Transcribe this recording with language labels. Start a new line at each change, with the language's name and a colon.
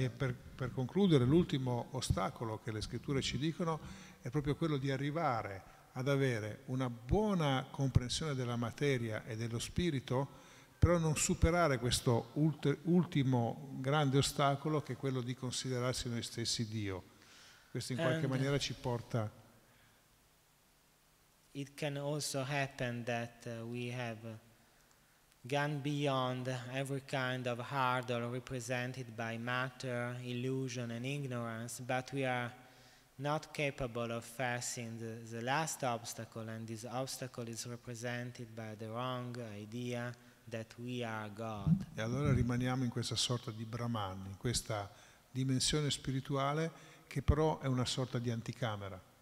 Italian: E per concludere, l'ultimo ostacolo che le scritture ci dicono è proprio quello di arrivare ad avere una buona comprensione della materia e dello spirito, però non superare questo ultimo grande ostacolo che è quello di considerarsi noi stessi Dio. Questo in qualche maniera ci porta.
English: It can also happen that we have gone beyond every kind of hurdle represented by matter, illusion and ignorance, but we are not capable of facing the last obstacle, and this obstacle is represented by the wrong idea that we are God.
Italian: E allora rimaniamo in questa sorta di Brahman, in questa dimensione spirituale che però è una sorta di anticamera.